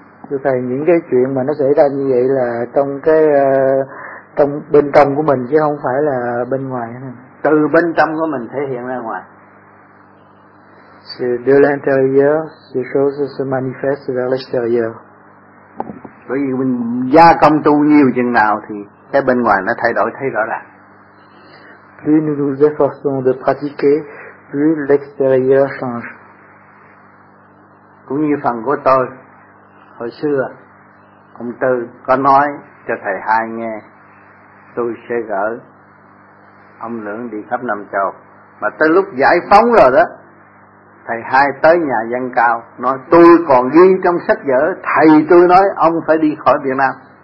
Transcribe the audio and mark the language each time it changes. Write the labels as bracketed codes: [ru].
[vi] Thưa Thầy, những cái chuyện mà nó xảy ra như vậy là trong cái trong bên trong của mình chứ không phải là bên ngoài. Từ bên trong của mình thể hiện ra ngoài. [fr] C'est de l'intérieur, ces choses se manifestent vers l'extérieur. [vi] Bởi vì mình gia công tu nhiều chừng nào thì cái bên ngoài nó thay đổi thấy rõ ràng. [fr] Plus nous nous efforçons de pratiquer, plus l'extérieur change. [vi] Cũng như phần của tôi, hồi xưa, ông Tư có nói cho thầy Hai nghe, tôi sẽ gỡ ông Lượng đi khắp năm châu. Mà tới lúc giải phóng rồi đó, thầy Hai tới nhà dân cao, nói tôi còn ghi trong sách vở, thầy tôi nói ông phải đi khỏi Việt Nam.